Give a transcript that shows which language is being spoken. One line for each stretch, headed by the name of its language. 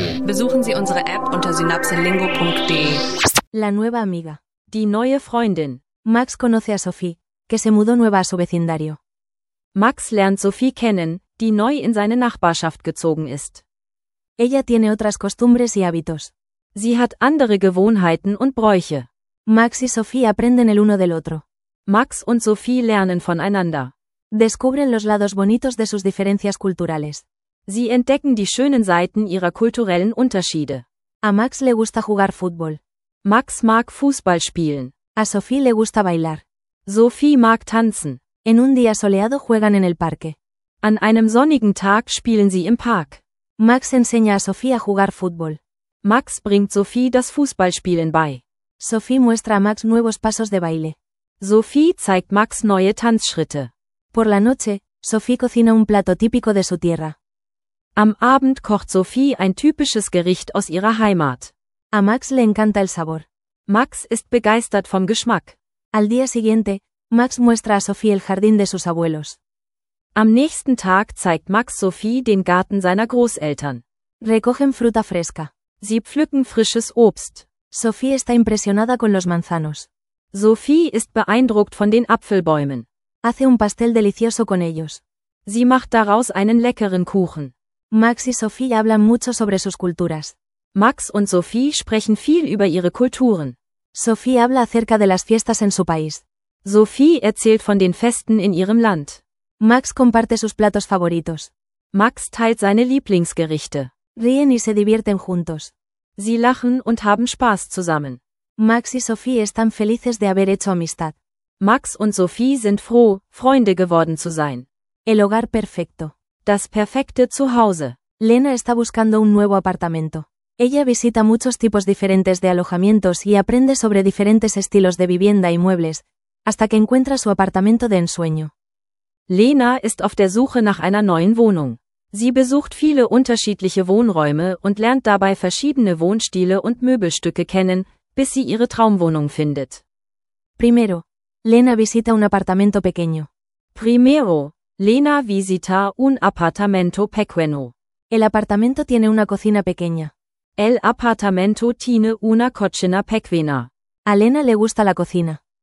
German: Besuchen Sie unsere App unter synapselingo.de.
Spanish: La nueva amiga.
German: Die neue Freundin.
Spanish: Max conoce a Sophie, que se mudó nueva a su vecindario.
German: Max lernt Sophie kennen, die neu in seine Nachbarschaft gezogen ist.
Spanish: Ella tiene otras costumbres y hábitos.
German: Sie hat andere Gewohnheiten und Bräuche.
Spanish: Max y Sophie aprenden el uno del otro.
German: Max und Sophie lernen voneinander.
Spanish: Descubren los lados bonitos de sus diferencias culturales.
German: Sie entdecken die schönen Seiten ihrer kulturellen Unterschiede.
Spanish: A Max le gusta jugar fútbol.
German: Max mag Fußball spielen.
Spanish: A Sophie le gusta bailar.
German: Sophie mag tanzen.
Spanish: En un día soleado juegan en el parque.
German: An einem sonnigen Tag spielen sie im Park.
Spanish: Max enseña a Sophie a jugar fútbol.
German: Max bringt Sophie das Fußballspielen bei.
Spanish: Sophie muestra a Max nuevos pasos de baile.
German: Sophie zeigt Max neue Tanzschritte.
Spanish: Por la noche, Sophie cocina un plato típico de su tierra.
German: Am Abend kocht Sophie ein typisches Gericht aus ihrer Heimat.
Spanish: A Max le encanta el sabor.
German: Max ist begeistert vom Geschmack.
Spanish: Al día siguiente, Max muestra a Sophie el jardín de sus abuelos.
German: Am nächsten Tag zeigt Max Sophie den Garten seiner Großeltern.
Spanish: Recogen fruta fresca.
German: Sie pflücken frisches Obst.
Spanish: Sophie está impresionada con los manzanos.
German: Sophie ist beeindruckt von den Apfelbäumen.
Spanish: Hace un pastel delicioso con ellos.
German: Sie macht daraus einen leckeren Kuchen.
Spanish: Max y Sophie hablan mucho sobre sus culturas.
German: Max und Sophie sprechen viel über ihre Kulturen.
Spanish: Sophie habla acerca de las fiestas en su país.
German: Sophie erzählt von den Festen in ihrem Land.
Spanish: Max comparte sus platos favoritos.
German: Max teilt seine Lieblingsgerichte.
Spanish: Ríen y se divierten juntos.
German: Sie lachen und haben Spaß zusammen.
Spanish: Max y Sophie están felices de haber hecho amistad.
German: Max und Sophie sind froh, Freunde geworden zu sein.
Spanish: El hogar perfecto.
German: Das perfekte Zuhause.
Spanish: Lena está buscando un nuevo apartamento. Ella visita muchos tipos diferentes de alojamientos y aprende sobre diferentes estilos de vivienda y muebles, hasta que encuentra su apartamento de ensueño.
German: Lena ist auf der Suche nach einer neuen Wohnung. Sie besucht viele unterschiedliche Wohnräume und lernt dabei verschiedene Wohnstile und Möbelstücke kennen, bis sie ihre Traumwohnung findet.
Spanish: Primero, Lena visita un apartamento pequeño. Primero, Lena visita un apartamento pequeño. El apartamento tiene una cocina pequeña. El apartamento tiene una cocina pequeña. A Lena le gusta la cocina.